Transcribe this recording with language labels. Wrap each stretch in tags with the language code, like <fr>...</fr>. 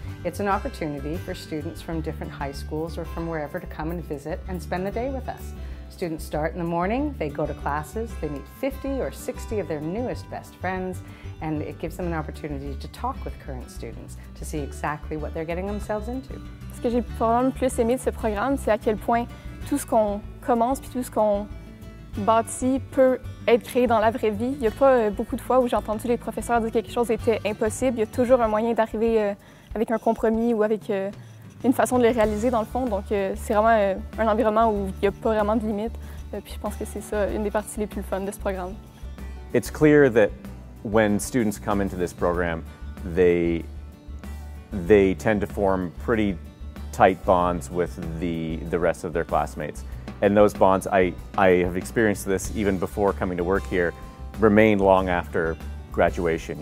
<en>It's an opportunity for students from different high schools or from wherever to come and visit and spend the day with us. Students start in the morning, they go to classes, they meet 50 or 60 of their newest best friends, and it gives them an opportunity to talk with current students to see exactly what they're getting themselves into.</en> <fr>Ce que j'ai vraiment le plus aimé de ce programme, c'est à quel point tout ce qu'on commence puis tout ce qu'on bâti peut être créé dans la vraie vie. Il n'y a pas beaucoup de fois où j'ai entendu les professeurs dire quelque chose était impossible. Il y a toujours un moyen d'arriver avec un compromis ou avec une façon de le réaliser dans le fond. Donc c'est vraiment un environnement où il n'y a pas vraiment de limites. Puis je pense que c'est ça une des parties les plus fun de ce programme.</fr> <en>It's clear that when students come into this program, they tend to form pretty tight bonds with the rest of their classmates. And those bonds, I have experienced this even before coming to work here, remain long after graduation.</en>